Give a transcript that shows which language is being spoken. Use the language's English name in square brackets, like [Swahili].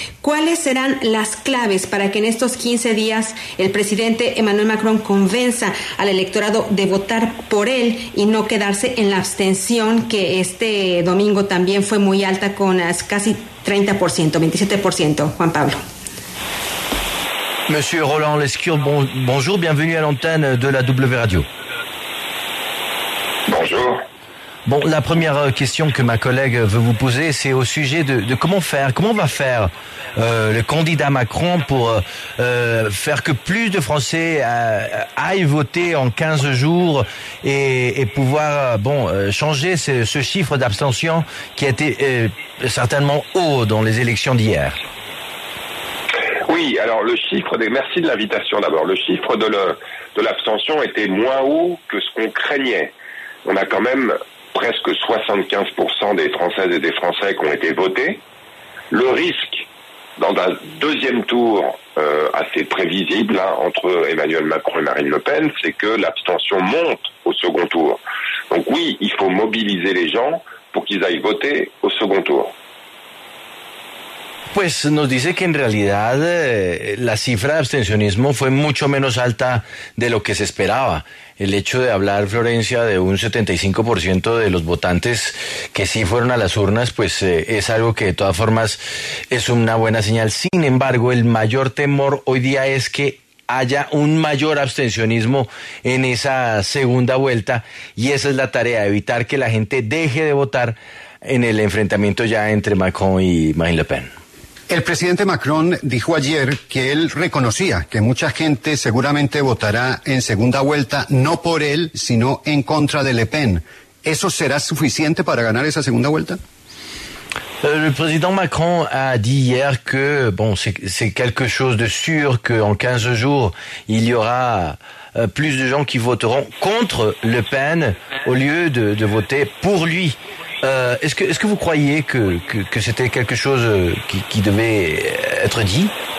[Spanish] ¿cuáles serán las claves para que en estos 15 días el presidente Emmanuel Macron convenza al electorado de votar por él y no quedarse en la abstención, que este domingo también fue muy alta con las casi 30%, 27%, Juan Pablo? [French] Monsieur Roland Lescure, bonjour, bienvenue à l'antenne de la W Radio. Bonjour. Bon, la première question que ma collègue veut vous poser, c'est au sujet de comment faire, comment va faire le candidat Macron pour faire que plus de Français aillent voter en 15 jours et pouvoir changer ce chiffre d'abstention qui a été certainement haut dans les élections d'hier. Oui, alors le chiffre, merci de l'invitation d'abord, le chiffre de l'abstention était moins haut que ce qu'on craignait. On a quand même presque 75% des Françaises et des Français qui ont été votés. Le risque dans un deuxième tour assez prévisible entre Emmanuel Macron et Marine Le Pen, c'est que l'abstention monte au second tour. Donc oui, il faut mobiliser les gens pour qu'ils aillent voter au second tour. [Spanish] Pues nos dice que en realidad la cifra de abstencionismo fue mucho menos alta de lo que se esperaba. El hecho de hablar, Florencia, de un 75% de los votantes que sí fueron a las urnas, pues es algo que de todas formas es una buena señal. Sin embargo, el mayor temor hoy día es que haya un mayor abstencionismo en esa segunda vuelta, y esa es la tarea, evitar que la gente deje de votar en el enfrentamiento ya entre Macron y Marine Le Pen. El presidente Macron dijo ayer que él reconocía que mucha gente seguramente votará en segunda vuelta no por él, sino en contra de Le Pen. ¿Eso será suficiente para ganar esa segunda vuelta? [French] El presidente Macron ha dit hier que c'est quelque chose de sûr que en 15 jours il y aura plus de gens qui voteront contre Le Pen au lieu de voter pour lui. Est-ce que vous croyez que c'était quelque chose qui devait être dit?